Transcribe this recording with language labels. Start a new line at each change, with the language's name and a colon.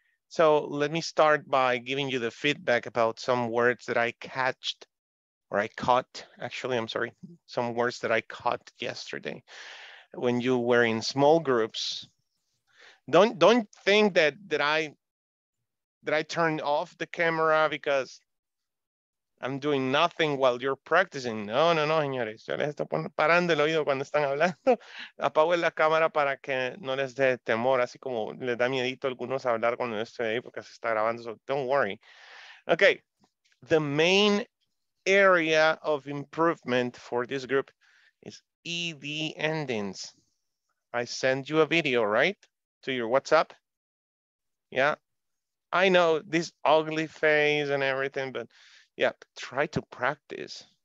English: So let me start by giving you the feedback about some words that I catched, or I caught, actually, I'm sorry, some words that I caught yesterday. When you were in small groups, don't think that I turned off the camera because I'm doing nothing while you're practicing.
Spanish: No, señores. Yo les estoy parando el oído cuando están hablando. Apago la cámara para que no les dé temor, así como les da miedito a algunos hablar cuando estoy ahí porque se está grabando.
English: So don't worry. Okay. The main area of improvement for this group is ED endings. I send you a video, right? To your WhatsApp. Yeah. I know this ugly face and everything, but yeah, try to practice.